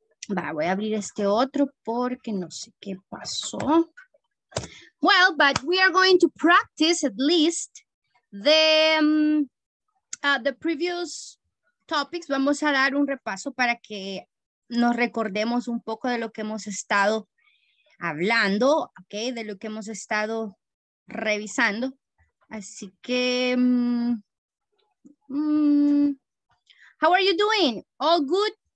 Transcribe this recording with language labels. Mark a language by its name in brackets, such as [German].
[Spanish] Va, voy a abrir este otro porque no sé qué pasó. [English] Well, but we are going to practice at least the previous topics. [Spanish] Vamos a dar un repaso para que nos recordemos un poco de lo que hemos estado hablando, okay, de lo que hemos estado revisando. Así que, [English] how are you doing? All good?